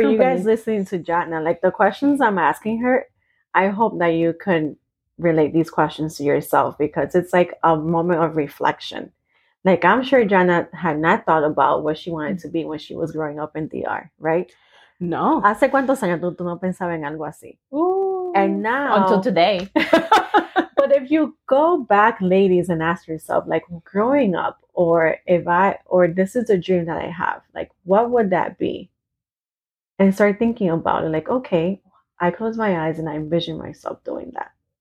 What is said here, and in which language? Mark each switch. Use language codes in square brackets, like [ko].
[en] you guys listening to Jatna, like, the questions I'm asking her, I hope that you can relate these questions to yourself, because it's like a moment of reflection. Like, I'm sure Jana had not thought about what she wanted to be when she was growing up in DR, right? No. [es] ¿Hace cuántos años tú no pensabas en algo así? Ooh. [en] And now. Until today. But if you go back, ladies, and ask yourself, like, growing up, or if I, or this is a dream that I have, like, what would that be? And start thinking about it, like, okay, I close my eyes and I envision myself doing that.